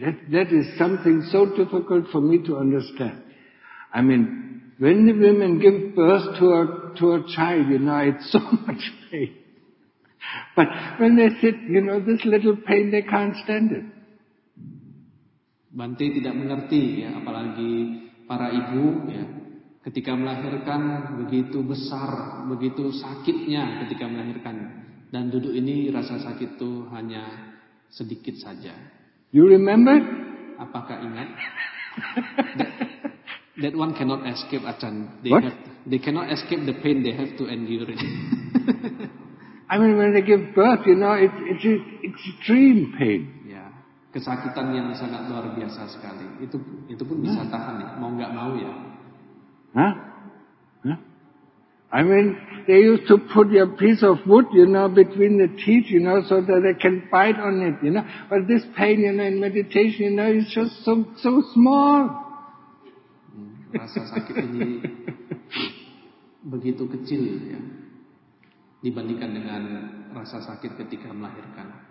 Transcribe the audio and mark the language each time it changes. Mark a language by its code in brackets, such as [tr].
[en] That is something so difficult for me to understand. I mean, when the women give birth to a child, you know, it's so much pain. But when they sit, you know, this little pain, they can't stand it. [id] Bante tidak mengerti ya, apalagi para ibu ya, ketika melahirkan begitu besar, begitu sakitnya ketika melahirkan, dan duduk ini rasa sakit itu hanya sedikit saja. [en] You remember? [id] Apakah ingat? [en] That one cannot escape, Achan. They cannot escape the pain, they have to endure it. I mean, when they give birth, you know, it's extreme pain. [id] Yeah, kesakitan yang sangat luar biasa sekali. Itu pun bisa tahan ya, mau enggak mau ya. Huh? [en] I mean, they used to put a piece of wood, you know, between the teeth, you know, so that they can bite on it, you know. But this pain, you know, in meditation, you know, it's just so small. [id] Rasa sakit ini begitu kecil ya, dibandingkan dengan rasa sakit ketika melahirkan.